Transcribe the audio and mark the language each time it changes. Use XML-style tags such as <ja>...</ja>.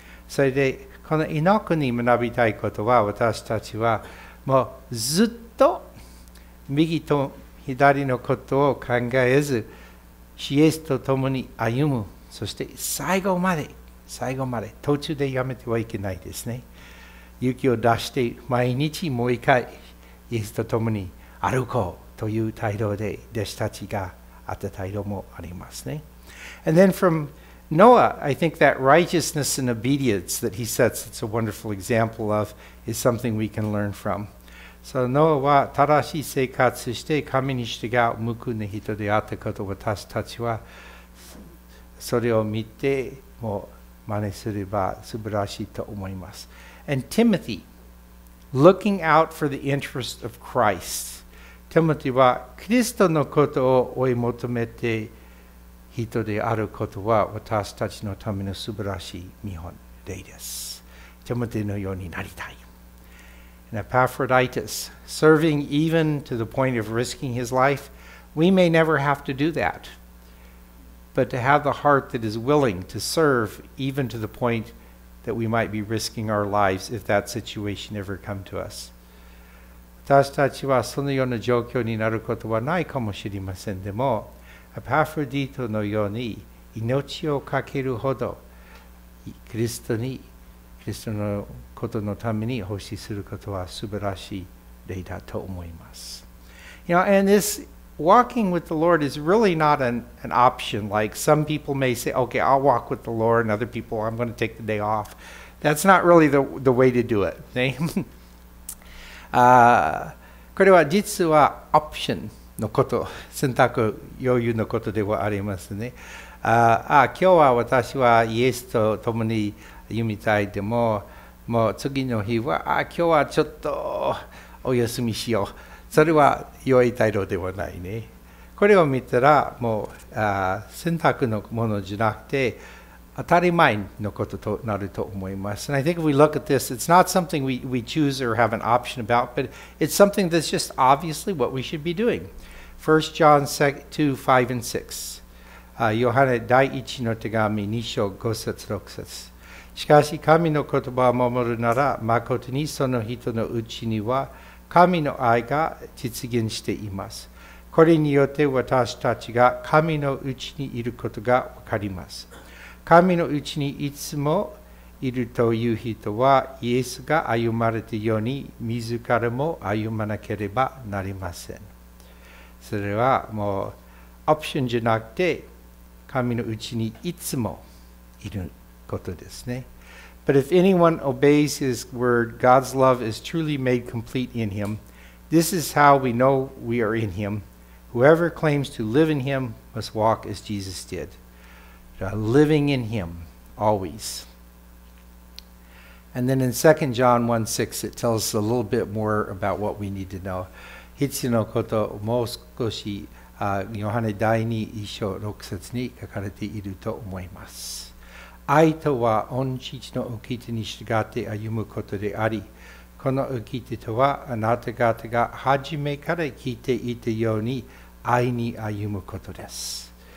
<ja>So, でこのイノクに学びたいことは、私たちはもうずっと右と左のことを考えず、主イエスと共に歩む。そして最後まで、最後まで、途中でやめてはいけないですね。勇気を出して毎日もう一回イエスと共に歩こう。という態度で弟子たちがあった態度もありますね。</ja> <en>And then from Noah, I think that righteousness and obedience that he sets, it's a wonderful example of, is something we can learn from.</en> <ja>So Noah は正しい生活して神に従う報いの人であったことを私たちはそれを見てもう真似すれば素晴らしいと思います。</ja> <en>And Timothy, looking out for the interest of Christ.</en> <ja>テモテはキリストのことを追い求めて人であることは私たちのための素晴らしい見本例です。テモテのようになりたい。</ja> <en>And Epaphroditus, serving even to the point of risking his life, we may never have to do that. But to have the heart that is willing to serve even to the point that we might be risking our lives if that situation ever come to us.</en> <ja>私たちはそのような状況になることはないかもしれませんでも、エパフロディトのように命を懸けるほどキリストのことのために奉仕することは素晴らしい例だと思います。</ja> <en>You know, and this walking with the Lord is really not an option. Like some people may say, okay, I'll walk with the Lord, and other people, I'm going to take the day off. That's not really the way to do it.</en> <ja>これは実はオプションのこと、選択余裕のことではありますね。今日は私はイエスと共に歩みたいでも、もう次の日は今日はちょっとお休みしよう。それは良い態度ではないね。これを見たらもう選択のものじゃなくて当たり前のこととなると思います。</ja> <en>And I think if we look at this, it's not something we choose or have an option about, but it's something that's just obviously what we should be doing. 1 John 2, 5 and 6.</en> <ja>ヨハネ第一の手紙2章5節6節。しかし神の言葉を守るなら、まことにその人のうちには神の愛が実現しています。これによって私たちが神のうちにいることがわかります。神のうちにいつもいるという人は、イエスが歩まれているように自らも歩まなければなりません。それはもうオプションじゃなくて、神のうちにいつもいることですね。</ja> <en>But if anyone obeys his word, God's love is truly made complete in him. This is how we know we are in him. Whoever claims to live in him must walk as Jesus did. Living in him always. And then in 2 John 1, 6, it tells us a little bit more about what we need to know.</en> <ja>必要なことをもう少しヨハネ第2一章6節に書かれていると思います。愛とは御父の掟に従って歩むことであり、この掟とはあなた方が初めから聞いていたように愛に歩むことです。</ja>